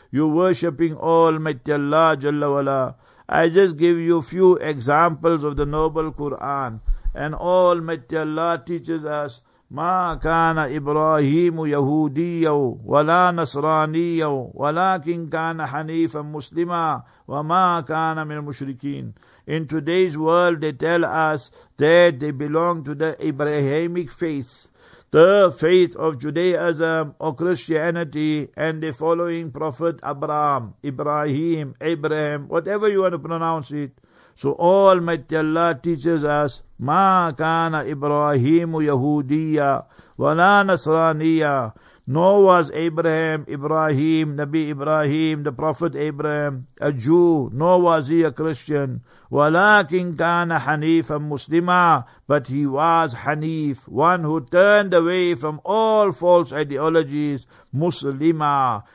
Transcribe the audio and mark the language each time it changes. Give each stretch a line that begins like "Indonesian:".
English: You're worshipping Almighty Allah Jalla Wala. I just give you a few examples of the noble Quran, and Almighty Allah teaches us,
Arabic: مَا كَانَ إِبْرَاهِيمُ يَهُودِيًّا وَلَا نَصْرَانِيًّا وَلَكِنْ كَانَ حَنِيفًا مُسْلِمًا وَمَا كَانَ مِنَ الْمُشْرِكِينَ.
English: In today's world, they tell us that they belong to the Abrahamic faith, the faith of Judaism or Christianity, and they're following Prophet Abraham, Ibrahim, Abraham, whatever you want to pronounce it. So Almighty Allah teaches us,
Arabic: مَا كَانَ إِبْرَاهِيمُ يَهُودِيًّا وَلَا نَصْرَانِيًّا.
English: Nor was Abraham, Ibrahim, Nabi Ibrahim, the Prophet Abraham, a Jew, nor was he a Christian.
Arabic: وَلَكِنْ كَانَ حَنِيفًا مُسْلِمًا.
English: But he was Hanif, one who turned away from all false ideologies, Muslima.